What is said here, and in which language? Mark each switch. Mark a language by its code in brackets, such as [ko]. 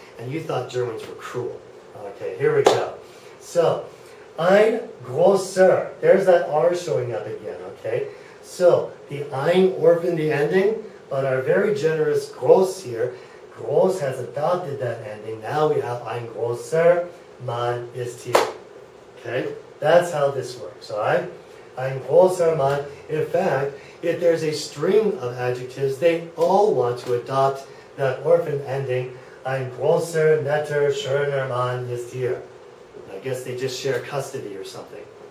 [en] And you thought Germans were cruel. Okay, here we go. [de] So, ein großer. [en] There's that R showing up again, okay? So, the ein orphaned the ending, but our very generous groß here, groß has adopted that ending. Now we have [de] ein großer Mann ist hier. [en] Okay? That's how this works, all right? [de] Ein großer Mann. [en] In fact, if there's a string of adjectives, they all want to adopt that orphan ending. [de] Ein großer, netter, schöner Mann ist hier. [en] I guess they just share custody or something.